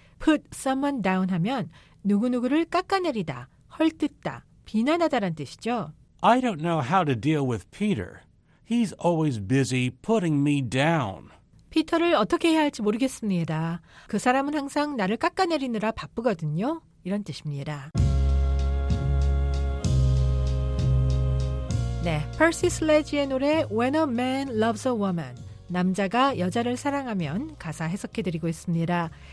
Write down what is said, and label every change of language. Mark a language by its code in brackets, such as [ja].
[en] put someone down [ko] 하면 누구누구를 깎아내리다, 헐뜯다, 비난하다란 뜻이죠. [en] I don't know how to deal with Peter. He's always busy putting me down. [ko] 피터를 어떻게 해야 할지 모르겠습니다. 그 사람은 항상 나를 깎아내리느라 바쁘거든요. 이런 뜻입니다. 네, Percy Sledge의 노래 When a Man Loves a Woman, 남자가 여자를 사랑하면 가사 해석해드리고 있습니다.